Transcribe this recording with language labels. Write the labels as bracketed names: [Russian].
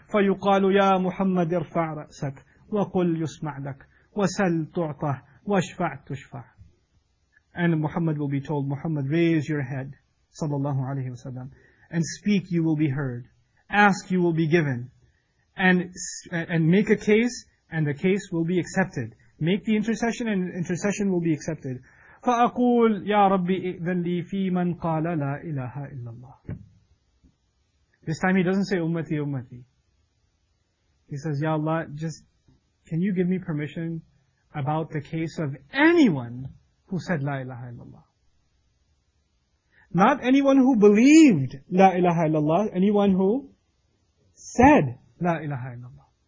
[Arabic] فَيُقَالُ يَا مُحَمَّدِ ارْفَعْ رَأْسَكْ وَقُلْ يُسْمَعْ لَكْ وَسَلْ تُعْطَهْ وَاشْفَعْ تُشْفَعْ [English] And Muhammad will be told, Muhammad, raise your head, sallallahu alayhi wa sallam, and speak, you will be heard. Ask, you will be given. And make a case, and the case will be accepted. Make the intercession, and intercession will be accepted. [Arabic] فَأَقُولْ يَا رَبِّ إِذَنْ لِي فِي مَنْ قَالَ لَا إِلَهَ إِلَّا اللَّهِ [English] This time he doesn't say, Ummati, Ummati. He says, Ya Allah, just, can you give me permission about the case of anyone who said, La ilaha illallah? Not anyone who believed, La ilaha illallah, anyone who said, La ilaha illallah.